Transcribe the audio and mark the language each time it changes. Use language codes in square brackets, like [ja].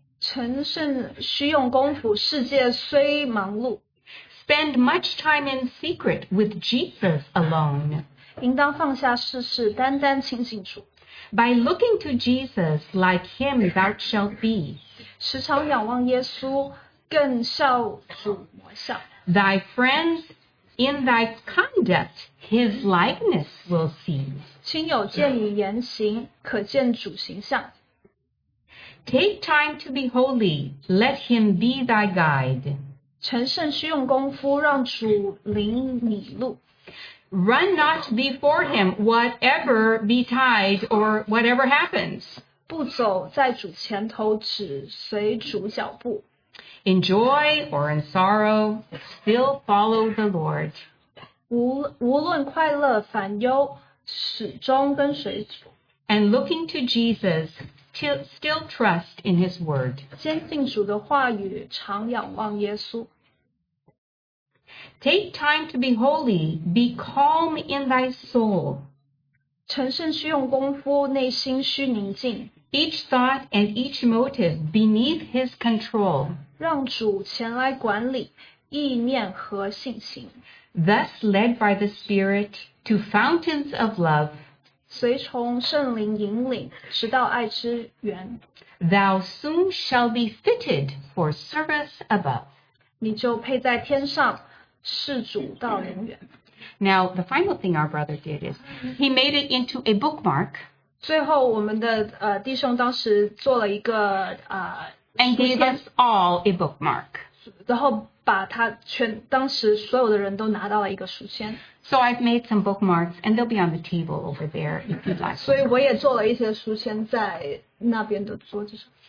[zh] 成圣需用功夫，世界虽忙碌。 [en] Spend much time in secret with Jesus alone. [zh] 应当放下世事，单单亲近主。 [en] By looking to Jesus, like him thou shalt be. [zh] 时常仰望耶稣，更效主模效。 [en] Thy friends in thy conduct, his likeness will see. [zh] 亲友见你言行，可见主形象。 [en] Take time to be holy, let him be thy guide. [zh] 成圣需用功夫，让主领你路。 [en] Run not before him, whatever betide or whatever happens. [zh] 不走在主前头，只随主脚步。 [en] In joy or in sorrow, still follow the Lord. [zh] 无论快乐烦忧，始终跟随主。 [en] And looking to Jesus, still trust in his word. [zh] 坚信主的话语，常仰望耶稣。 [en] Take time to be holy, be calm in thy soul. [zh] 成圣需用功夫，内心需宁静。 [en] Each thought and each motive beneath his control. [zh] 让主前来管理意念和信心。 [en] Thus led by the Spirit to fountains of love. [zh] 随从圣灵引领，直到爱之源。 [en] Thou soon shall be fitted for service above. [zh] 你就配在天上。是主到永远。 [en] Now, the final thing our brother did is he made it into a bookmark. [zh] 最后我们的弟兄当时做了一个 [en] And gave us all a bookmark. [zh] 然后把他全当时所有的人都拿到了一个书签。 [en] So I've made some bookmarks and they'll be on the table over there if you'd like. [zh] 所以我也做了一些书签在那边的桌子上。